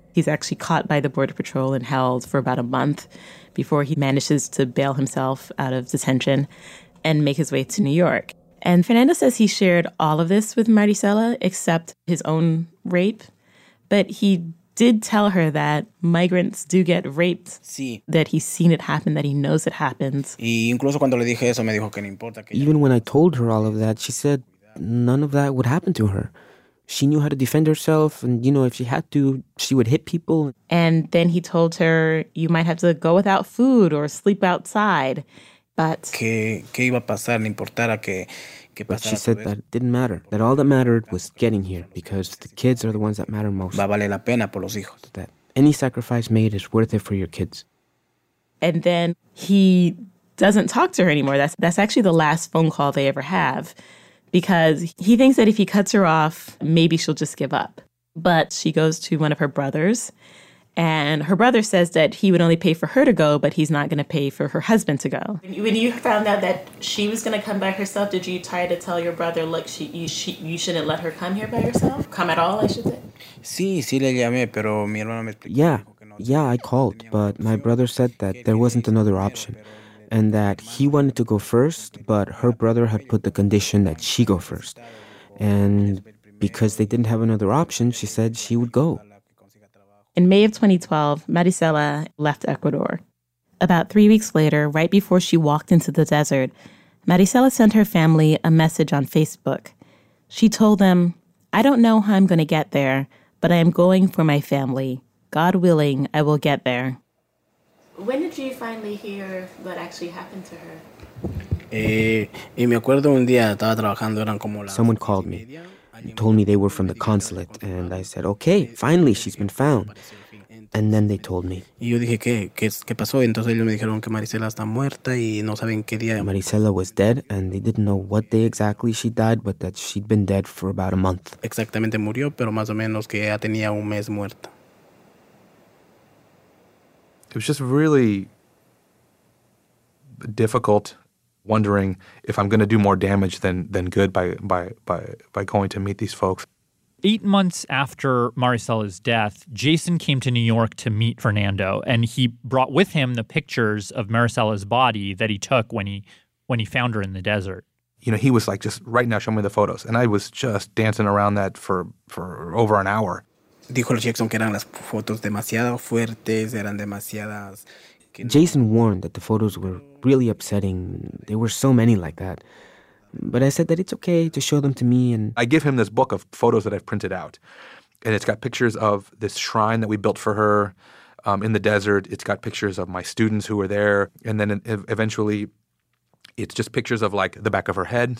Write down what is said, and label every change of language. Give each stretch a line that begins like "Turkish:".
English: He's actually caught by the Border Patrol and held for about a month before he manages to bail himself out of detention and make his way to New York. And Fernando says he shared all of this with Maricela except his own rape. But he did tell her that migrants do get raped,
Spanish: sí,
English: that he's seen it happen, that he knows it happens.
Spanish: Y incluso cuando le dije eso, me dijo que no importa, que even ya...
English: when I told her all of that, she said none of that would happen to her. She knew how to defend herself, and, you know, if she had to, she would hit people. And then he told her, you might have to go without food or sleep outside, but...
Spanish: ¿Qué iba a pasar? No importara que...
English: But she said that it didn't matter, that all that mattered was getting here, because the kids are the ones that matter most.
Spanish: Va a valer la pena por los hijos.
English: That any sacrifice made is worth it for your kids. And then he doesn't talk to her anymore. That's actually the last phone call they ever have, because he thinks that if he cuts her off, maybe she'll just give up. But she goes to one of her brothers, and her brother says that he would only pay for her to go, but he's not going to pay for her husband to go. When you found out that she was going to come by herself, did you try to tell your brother, look, you shouldn't let her come here by herself? Come at all, I should say?
Spanish: Sí, sí le llamé, pero mi hermano me explicó.
English: Yeah, I called, but my brother said that there wasn't another option, and that he wanted to go first, but her brother had put the condition that she go first. And because they didn't have another option, she said she would go. In May of 2012, Maricela left Ecuador. About 3 weeks later, right before she walked into the desert, Maricela sent her family a message on Facebook. She told them, I don't know how I'm going to get there, but I am going for my family. God willing, I will get there. When did you finally hear what actually happened to her?
Spanish: Me acuerdo un día estaba trabajando, eran como las...
English: Someone called me. He told me they were from the consulate, and I said, okay, finally, she's been found. And then they told me.
Spanish: Y yo dije, ¿qué pasó? Entonces ellos me dijeron que Maricela está muerta y no saben qué día.
English: Maricela was dead, and they didn't know what day exactly she died, but that she'd been dead for about a month.
Spanish: Exactamente murió, pero más o menos que ya tenía un mes muerta.
English: It was just really difficult. Wondering if I'm going to do more damage than good by going to meet these folks. 8 months after Maricela's death, Jason came to New York to meet Fernando, and he brought with him the pictures of Maricela's body that he took when he found her in the desert. You know, he was like, just right now, show me the photos. And I was just dancing around that for over an hour.
Spanish: Dijo Jackson que eran las fotos demasiado fuertes, eran demasiadas...
English: Jason warned that the photos were really upsetting. There were so many like that. But I said that it's okay to show them to me. And I give him this book of photos that I've printed out. And it's got pictures of this shrine that we built for her in the desert. It's got pictures of my students who were there. And then eventually it's just pictures of, like, the back of her head.